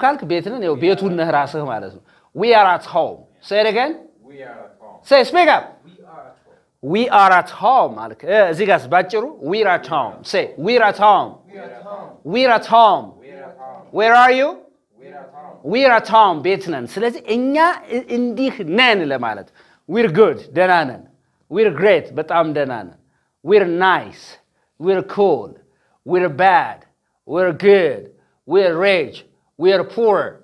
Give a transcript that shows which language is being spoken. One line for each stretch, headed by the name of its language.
Amharic: ካልክ ቤት ነን ያው ቤቱ ነህ ራስህ ማለት ነው
English: we are at home say it again we are at home say speak up we are at home
Amharic: ማለት እዚህ ጋርስ ባጭሩ
English: we are at home say we are at home we're at home where are you we're at home
Amharic: ቤት ነን ስለዚህ እኛ እንዲህ ነን ለማለት
English: we're good ደህና ነን we're great
Amharic: በጣም ደህና ነን
English: we're nice we're cool we're bad we're good we're rich we're poor